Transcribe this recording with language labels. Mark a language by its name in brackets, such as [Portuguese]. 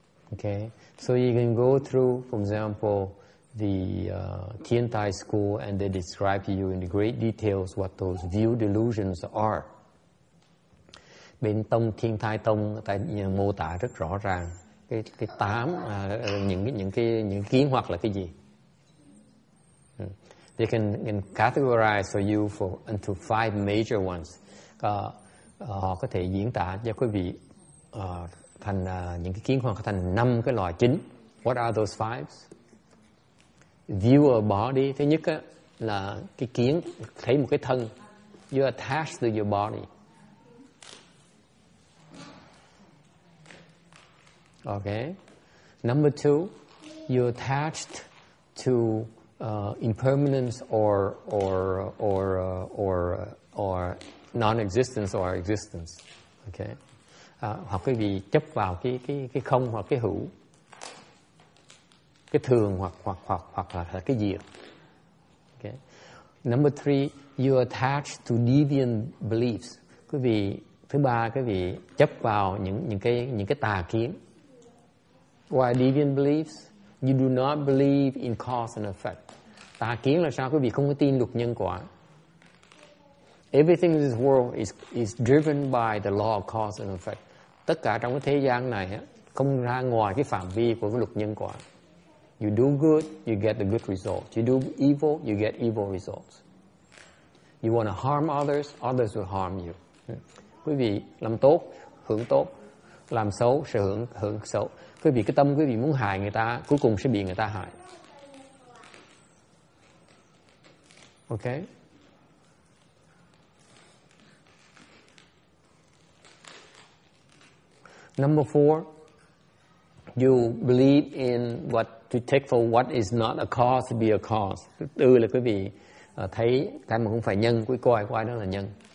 [English] Okay, so you can go through, for example, the Tien Tai school, and they describe to you in great details what those view delusions are. [Vietnamese] Bên tông Thiên Thai tông ta mô tả rất rõ ràng cái tám những kiến hoặc là cái gì. [English] They can categorize for you for into five major ones. [Vietnamese] Họ có thể diễn tả cho quý vị thành những cái kiến hoặc thành năm cái loại chính. [English] What are those fives? View a body. [Vietnamese] Thứ nhất á, là cái kiến thấy một cái thân. [English] You attach to your body. Okay. Number two, you attached to impermanence or non-existence or existence. Okay. [Vietnamese] Hoặc quý vị chấp vào cái không hoặc cái hữu, cái thường hoặc là cái diệt. [English] Okay. Number three, you attached to deviant beliefs. [Vietnamese] Quý vị thứ ba, quý vị chấp vào những cái tà kiến. [English] Why deviant beliefs? You do not believe in cause and effect. [Vietnamese] Tà kiến là sao? Quý vị không có tin luật nhân quả. [English] Everything in this world is driven by the law of cause and effect. [Vietnamese] Tất cả trong cái thế gian này không ra ngoài cái phạm vi của cái luật nhân quả. [English] You do good, you get the good results. You do evil, you get evil results. You want to harm others, others will harm you. [Vietnamese] Quý vị làm tốt, hưởng tốt. Làm xấu, sẽ hưởng xấu. Quý vị, cái tâm quý vị muốn hại người ta, cuối cùng sẽ bị người ta hại. [English] Ok. Number four, you believe in what to take for what is not a cause to be a cause. [Vietnamese] Thứ tư là quý vị thấy cái mà không phải nhân, quý coi qua đó là nhân.